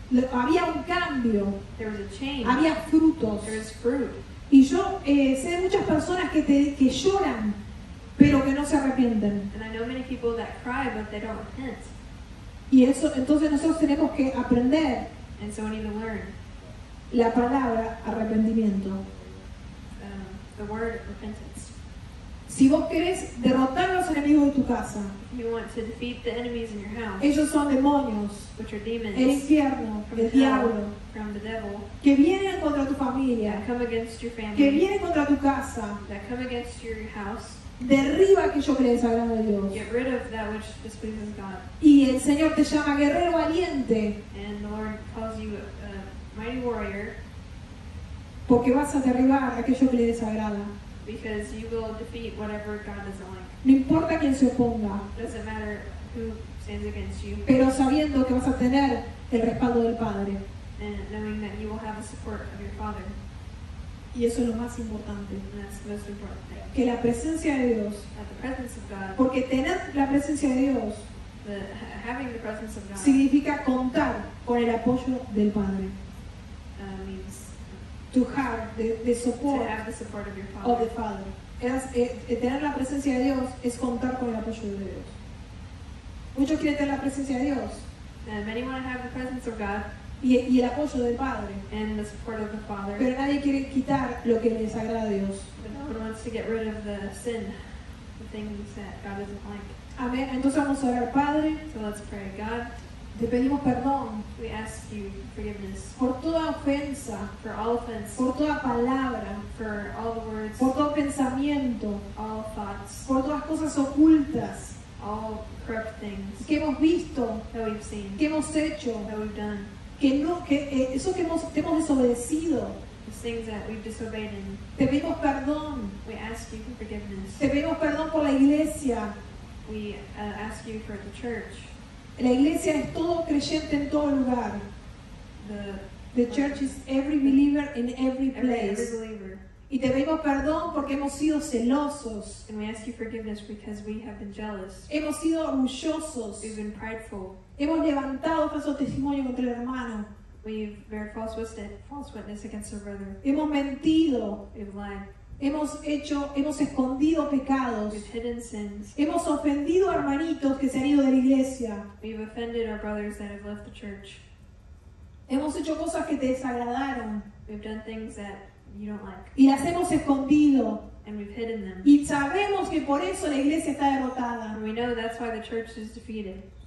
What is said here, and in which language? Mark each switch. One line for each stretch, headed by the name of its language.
Spanish: Había un cambio.
English: There was a change.
Spanish: Había frutos.
English: There's fruit.
Spanish: Y yo sé de muchas personas que lloran, pero que no se arrepienten.
English: And I know many people that cry, but they don't repent.
Spanish: Y eso, entonces nosotros tenemos que aprender.
English: And so we need to learn.
Spanish: La palabra arrepentimiento.
English: The word repentance.
Spanish: Si vos querés derrotar a los enemigos de tu casa,
English: you want to defeat the enemies in your house,
Spanish: ellos son demonios,
English: which are demons,
Spanish: el infierno, el diablo,
English: from the devil,
Spanish: que vienen contra tu familia,
English: that come against your family,
Spanish: que vienen contra tu casa,
English: that come against your house,
Spanish: derriba aquello que le desagrada a Dios.
English: Get rid of that which displeases God.
Spanish: Y el Señor te llama guerrero valiente.
English: And the Lord calls you a mighty warrior.
Spanish: Porque vas a derribar aquello que le desagrada.
English: Because you will defeat whatever God doesn't like.
Spanish: No importa quién se oponga.
English: Doesn't matter who stands against you.
Spanish: Pero sabiendo que vas a tener el respaldo del Padre.
English: And knowing that you will have the support of your Father.
Spanish: Y eso es lo más importante.
English: And that's the most important thing.
Spanish: Que la presencia de Dios.
English: That the presence of God.
Spanish: Porque tener la presencia de Dios.
English: Having the presence of God.
Spanish: Significa contar con el apoyo del Padre.
English: Means. To have the support. To have the support of your Father. Of the Father.
Spanish: Tener la presencia de Dios es contar con el apoyo de Dios. Muchos quieren tener la presencia de Dios.
English: Many want to have the presence of God.
Spanish: Y el apoyo del Padre.
English: And the support of the Father.
Spanish: Pero nadie quiere quitar lo que le desagrada a Dios.
English: But no one wants to get rid of the sin, the things that God doesn't like.
Spanish: Amén. Entonces vamos a orar, Padre.
English: So let's pray, God.
Spanish: Te pedimos perdón.
English: We ask you forgiveness.
Spanish: Por toda ofensa.
English: For all offense.
Spanish: Por toda palabra.
English: For all the words.
Spanish: Por todo pensamiento.
English: All thoughts.
Spanish: Por todas cosas ocultas.
English: All corrupt things.
Spanish: Que hemos visto.
English: That we've seen.
Spanish: Que hemos hecho.
English: That we've done.
Spanish: Eso que hemos desobedecido.
English: Those things that we've disobeyed in.
Spanish: Te pedimos perdón.
English: We ask you for forgiveness.
Spanish: Te pedimos perdón por la iglesia.
English: We ask you for the church.
Spanish: La iglesia es todo creyente en todo lugar.
English: The church is every believer in every place. Every believer.
Spanish: Y te pedimos perdón porque hemos sido celosos.
English: And we ask you forgiveness because we have been jealous.
Spanish: Hemos sido orgullosos.
English: We've been prideful.
Spanish: Hemos levantado falso testimonio contra el hermano.
English: We've bear false witness against our brother.
Spanish: Hemos mentido.
English: We've lied.
Spanish: Hemos escondido pecados.
English: We've hidden sins.
Spanish: Hemos ofendido a hermanitos que se han ido de la iglesia.
English: We've offended our brothers that have left the church.
Spanish: Hemos hecho cosas que te desagradaron.
English: We've done things that you don't like.
Spanish: Y las hemos escondido.
English: And we've hidden them.
Spanish: Y sabemos que por eso la iglesia está derrotada.
English: And we know that's why the church is defeated.